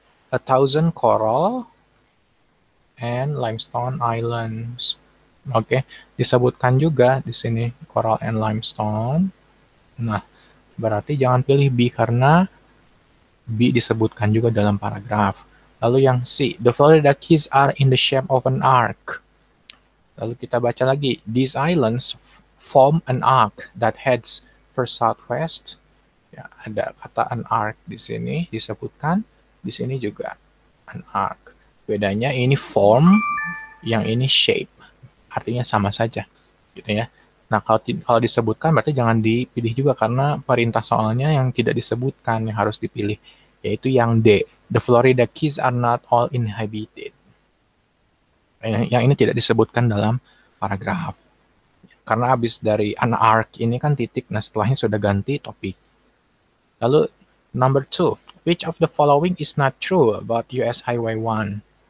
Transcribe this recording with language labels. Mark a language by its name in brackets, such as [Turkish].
[English] 1,000 coral and limestone islands. [Indonesian] Oke, disebutkan juga di sini coral and limestone. Nah, berarti jangan pilih B karena B disebutkan juga dalam paragraf. Lalu yang C, [English] the Florida Keys are in the shape of an arc. [Indonesian] Lalu kita baca lagi, [English] these islands form an arc that heads for southwest. [Indonesian] Ya, ada kata an arc di sini disebutkan, di sini juga an arc. Bedanya ini form, yang ini shape. Artinya sama saja, gitu ya. Nah, kalau disebutkan berarti jangan dipilih juga karena perintah soalnya yang tidak disebutkan yang harus dipilih, yaitu yang D. [English] The Florida Keys are not all inhabited. [Indonesian] Yang ini tidak disebutkan dalam paragraf. Karena habis dari an arc ini kan titik, nah setelahnya sudah ganti topik. Lalu, [English] number two. Which of the following is not true about US Highway 1?